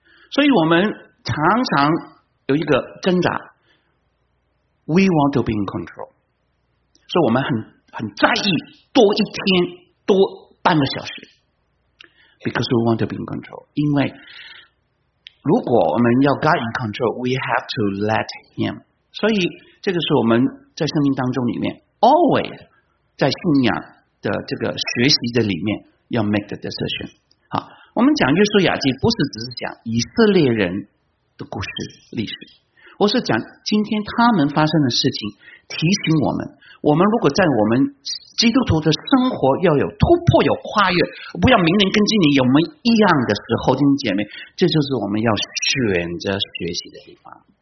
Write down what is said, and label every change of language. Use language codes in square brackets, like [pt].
[zh] 所以我们常常有一个挣扎， [en] We want to be in control， [zh] 所以我们很在意多一天多半个小时， [en] Because we want to be in control。 [zh] 因为如果我们要 [en] God in control， We have to let him。 [zh] 所以这个是我们在生命当中里面 Always 在信仰的这个学习的里面要 [en] make the decision。 [zh] 好，我们讲约书亚记不是只是讲以色列人的故事历史，我是讲今天他们发生的事情，提醒我们，我们如果在我们基督徒的生活要有突破、有跨越，不要明年跟今年有没有一样的时候，弟兄姐妹，这就是我们要选择学习的地方。